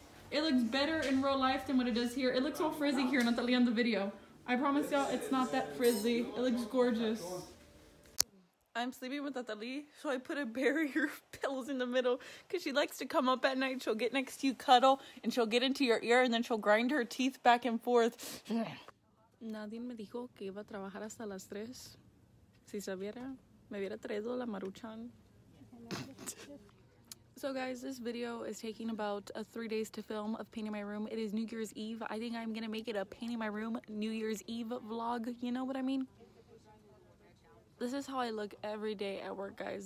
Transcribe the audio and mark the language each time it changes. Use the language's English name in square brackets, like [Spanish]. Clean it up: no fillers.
[English] It looks better in real life than what it does here. It looks all frizzy here, Natalie, on the video. I promise y'all, it's not that frizzy. It looks gorgeous. I'm sleeping with Natalie, so I put a barrier of pillows in the middle because she likes to come up at night. She'll get next to you, cuddle, and she'll get into your ear, and then she'll grind her teeth back and forth. [Spanish] Nadie me dijo que iba a trabajar hasta las tres. Si sabiera, me hubiera traído la maruchan. [English] So guys, this video is taking about 3 days to film of painting my room. It is New Year's Eve. I think I'm gonna make it a painting my room New Year's Eve vlog. You know what I mean? This is how I look every day at work, guys.